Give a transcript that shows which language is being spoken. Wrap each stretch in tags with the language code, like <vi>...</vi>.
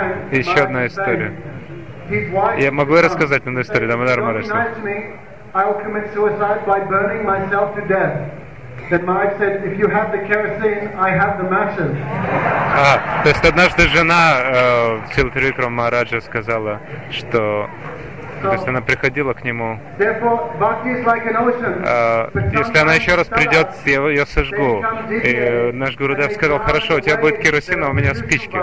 <ru>Еще одна история. Я могу рассказать одну историю, Дамодар Махарадж.</ru> <en>I will commit suicide by burning myself to death. Then Maharaj said, if you have the kerosene, I have the matches.</en> <ru>То есть однажды жена Шрилы Тривикрама Махараджа сказала, что то есть она приходила к нему. Если она еще раз придет, я ее сожгу. И наш Гурудев сказал: хорошо, у тебя будет керосин, а у меня спички.</ru>